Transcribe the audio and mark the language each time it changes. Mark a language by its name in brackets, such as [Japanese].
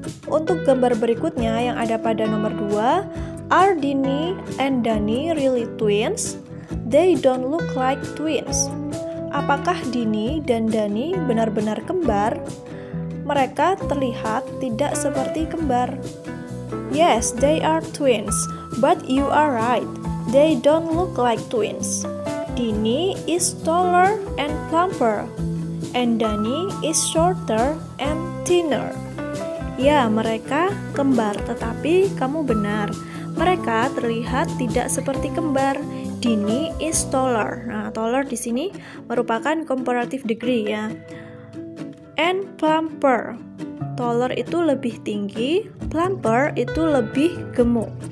[Indonesian] Untuk gambar berikutnya yang ada pada nomor 2, [English] are Dini and Dani really twins? They don't look like twins. [Indonesian] Apakah Dini dan Dani benar-benar kembar? Mereka terlihat tidak seperti kembar. [English] Yes, they are twins, but you are right. They don't look like twins. Dini is taller and plumper, and Dani is shorter and thinner. [Indonesian] Ya, mereka kembar, tetapi kamu benar. Mereka terlihat tidak seperti kembar. [English] Dini is taller. [Indonesian] Nah, taller di sini merupakan comparative degree, ya. And plumper. Taller itu lebih tinggi, plumper itu lebih gemuk.